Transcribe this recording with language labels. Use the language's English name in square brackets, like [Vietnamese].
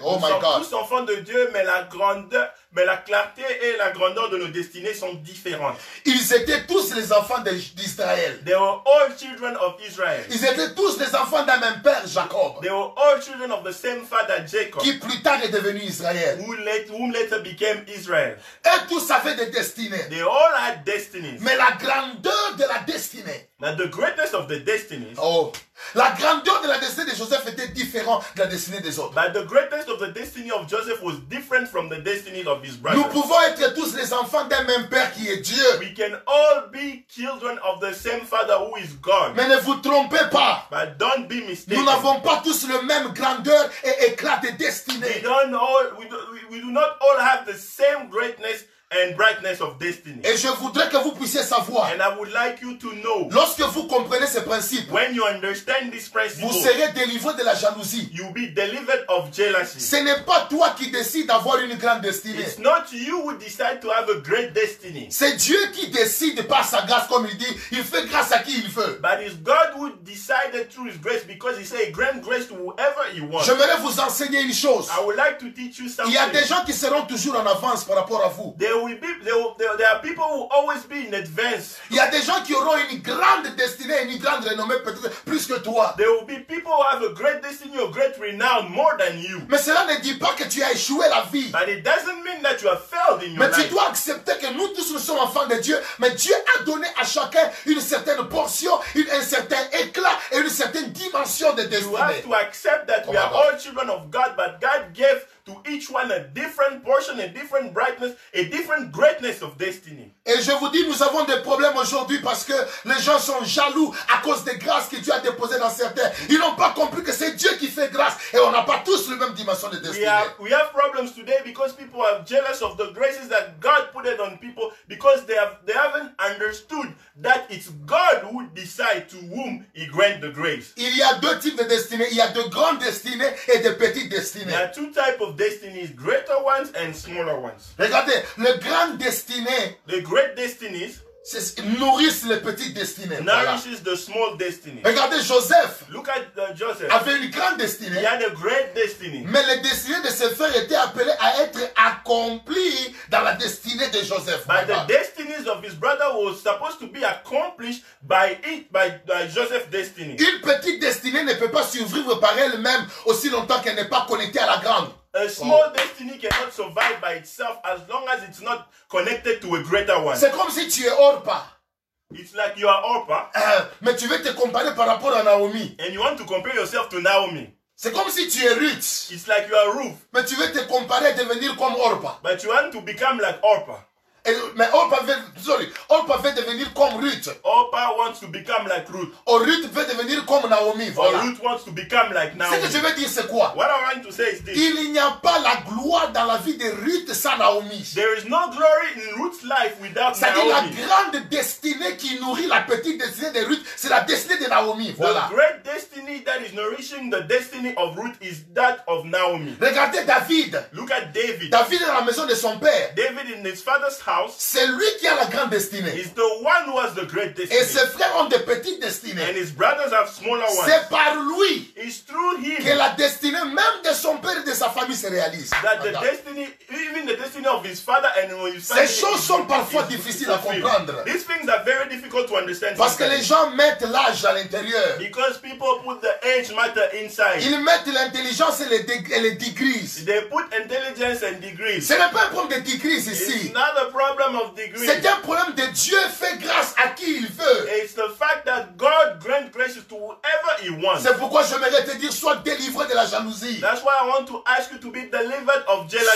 [French] Oh nous [English] my God. [French] Nous sommes tous enfants de Dieu, mais la grandeur mais la clarté et la grandeur de nos destinées sont différentes. Ils étaient tous les enfants d'Israël. [English] They were all children of Israel. [French] Ils étaient tous les enfants d'un même père, Jacob. [English] They were all children of the same father, Jacob. [French] Qui plus tard est devenu Israël. [English] Whom later became Israel. [French] Et tous avaient des destinées. [English] They all had destinies. [French] Mais la grandeur de la destinée. [English] Now the greatness of the destinies. Oh. [French] La grandeur de la destinée de Joseph était différente de la destinée des autres. [English] But the greatness of the destiny of Joseph was different from the destiny of his brothers. [French] Nous pouvons être tous les enfants d'un même père qui est Dieu. [English] We can all be children of the same father who is God. [French] Mais ne vous trompez pas. [English] But don't be mistaken. [French] Nous n'avons pas tous le même grandeur et éclat de destinée. [English] We do not all have the same greatness and brightness of destiny. [French] Et je voudrais que vous puissiez savoir. [English] And I would like you to know. [French] Lorsque vous comprenez ces principes, [English] when you understand this principle, [French] vous serez délivré de la jalousie. [English] You'll be delivered of jealousy. [French] Ce n'est pas toi qui décides d'avoir une grande destinée. [English] It's not you who decide to have a great destiny. [French] C'est Dieu qui décide par sa grâce, comme il dit, il fait grâce à qui il veut. [English] But it's God who decided through his grace because he said he grants grace to whoever he wants. [French] J'aimerais vous enseigner une chose. [English] I would like to teach you something. [French] Il y a des gens qui seront toujours en avance par rapport à vous. [English] There are people who will always be in advance. [French] Il y a des gens qui auront une grande destinée, une grande renommée, peut-être plus que toi. [English] There will be people who have a great destiny or great renown more than you. [French] Mais cela ne dit pas que tu as échoué la vie. [English] But it doesn't mean that you have failed in your [French] mais [English] life. [French] Mais tu dois accepter que nous tous sommes enfants de Dieu, mais Dieu a donné à chacun une certaine portion, un certain éclat et une certaine dimension de destinée. [English] You have to accept that we are all children of God, but God gave to each one a different portion, a different brightness, a different greatness of destiny. [French] Et je vous dis, nous avons des problèmes aujourd'hui parce que les gens sont jaloux à cause des grâces que Dieu a déposées dans certains. Ils n'ont pas compris que c'est Dieu qui fait grâce et on n'a pas tous le même dimension de destinée. [English] We have problems today because people are jealous of the graces that God put it on people because they haven't understood that it's God who decide to whom He grant the grace. [French] Il y a deux types de destinées. Il y a de grandes destinées et de petites destinées. [English] There are two types of destinies, greater ones and smaller ones. [French] Regardez, le grand destiné. [English] The great destinies. [French] C'est nourrissent les petites destinées. [English] Nourishes voilà. The small destiny. [French] Regardez Joseph. [English] Look at Joseph. [French] Avait une grande destinée. [English] He had a great destiny. [French] Mais les destinées de ses frères étaient appelées à être accomplies dans la destinée de Joseph. [English] But the destinies of his brother was supposed to be accomplished by Joseph's destiny. [French] Une petite destinée ne peut pas survivre par elle-même aussi longtemps qu'elle n'est pas connectée à la grande. [English] A small destiny cannot survive by itself as long as it's not connected to a greater one. [French] C'est comme si tu es Orpah. [English] It's like you are Orpah. [French] Mais tu veux te comparer par rapport à Naomi. [English] And you want to compare yourself to Naomi. [French] C'est comme si tu es Ruth. [English] It's like you are Ruth. [French] Mais tu veux te comparer à devenir comme Orpah. [English] But you want to become like Orpah. [French] Mais Orpah veut devenir comme Ruth. [English] Orpah wants to become like Ruth. [French] Or Ruth veut devenir comme Naomi. Voilà. [English] Or Ruth wants to become like Naomi. [French] Ce que je veux dire, c'est quoi? [English] What I'm trying to say is this. [French] Il n'y a pas la gloire dans la vie de Ruth sans Naomi. [English] There is no glory in Ruth's life without [French] c'est [English] Naomi. [French] C'est-à-dire la grande destinée qui nourrit la petite destinée de Ruth, c'est la destinée de Naomi. Voilà. [English] The great destiny that is nourishing the destiny of Ruth is that of Naomi. [French] Regardez David. [English] Look at David. [French] David dans la maison de son père. [English] David in his father's house. [French] C'est lui qui a la grande destinée. [English] He's the one who has the great destiny. [French] Et ses frères ont des petites destinées. [English] And his brothers have smaller ones. [French] C'est par lui. [English] It's through him. [French] Que la destinée même de son père et de sa famille se réalise. [English] That the destiny, even the destiny of his father and his family. [French] Ces choses sont parfois difficiles à comprendre. [English] These things are very difficult to understand. [French] Parce que les gens mettent l'âge à l'intérieur. [English] Because people put the age matter inside. [French] Ils mettent l'intelligence et les degrees. [English] They put intelligence and degrees. [French] Ce n'est pas un problème de degrees ici. [English] It's not a problem. Of degree. [French] C'est un problème de Dieu fait grâce à qui il veut. [English] It's the fact that God grants grace to whoever He wants. [French] C'est pourquoi je voudrais te dire, sois délivré de la jalousie. [English] That's why I want to ask you to be delivered of jealousy.